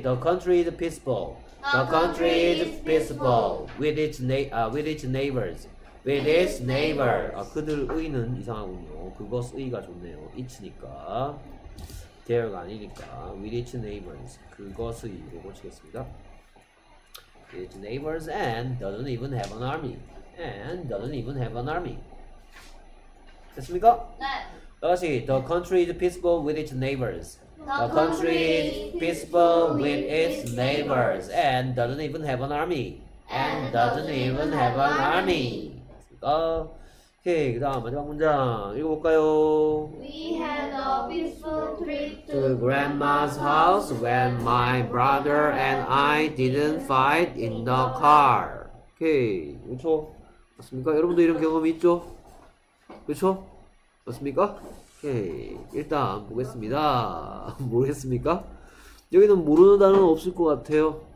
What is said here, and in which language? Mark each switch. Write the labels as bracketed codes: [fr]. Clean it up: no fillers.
[en] The country is peaceful. The country is peaceful with its neighbors. With its neighbor. [ko] 아, 그들의는 이상하군요. 그것 의가 좋네요. its니까. 계열가 아니니까. [en] With its neighbors. [ko] 그것의 이로 고치겠습니다. [en] With its neighbors and doesn't even have an army. And doesn't even have an army. [ko] 됐습니까? 다시. [en] The country is peaceful with its neighbors. The country is peaceful with its neighbors. And doesn't even have an army. And doesn't even have an army. [ko] 오케이. 그 다음 마지막 문장 읽어볼까요? [en] We had a peaceful trip to grandma's house when my brother and I didn't fight in the car. [ko] 오케이. 그렇죠? 맞습니까? 여러분도 이런 경험이 있죠? 그렇죠? 맞습니까? 오케이. 일단 보겠습니다. 모르겠습니까? 여기는 모르는 단어는 없을 것 같아요.